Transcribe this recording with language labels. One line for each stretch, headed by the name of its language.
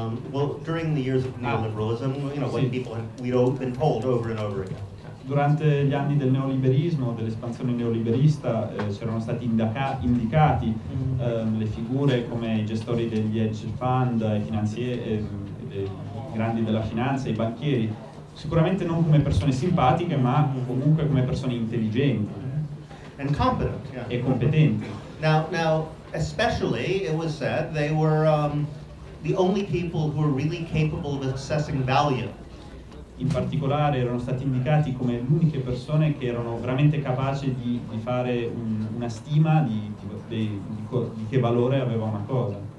English: Well, during the years of neoliberalism, white people we'd been told over and over again.
Italian: Durante gli anni del neoliberismo, dell'espansione neoliberista, c'erano stati indicati le figure come i gestori degli hedge fund, i grandi della finanza, i banchieri, sicuramente non come persone simpatiche, ma comunque come persone intelligenti
English: and competent, yeah.
Italian: E competenti.
English: Now, especially, it was said, they were the only people who were really capable of assessing value.
Italian: In particolare erano stati indicati come le uniche persone che erano veramente capaci di fare una stima di che valore aveva una cosa.